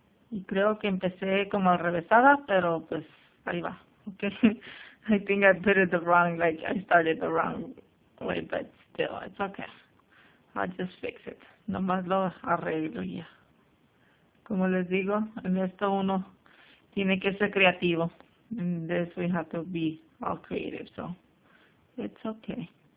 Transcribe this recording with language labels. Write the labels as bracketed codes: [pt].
[es] Y creo que empecé como arrevesada, pero pues ahí va. [en] Okay. I think I put it the wrong, like I started the wrong way, but still, it's okay. I'll just fix it. [es] Nomás lo arreglo ya. Como les digo, en esto uno tiene que ser creativo. [en] In this we have to be all creative, so it's okay.